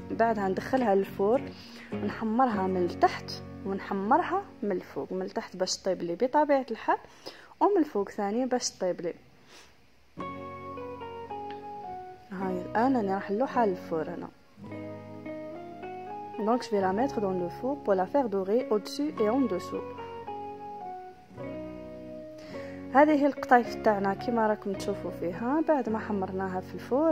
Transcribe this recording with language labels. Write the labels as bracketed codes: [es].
[ar] بعدها ندخلها للفور نحمرها من التحت ونحمرها من الفوق. من التحت باش طيب لي بطبيعة الحال، ومن الفوق ثاني باش طيب لي. هاي الان انا راح نلوحها للفور انا. [fr] Donc je vais la mettre dans le four pour la faire dorer au-dessus et en dessous. [ar] هذه هي القطايف تاعنا كيما راكم تشوفوا فيها بعد ما حمرناها في الفور.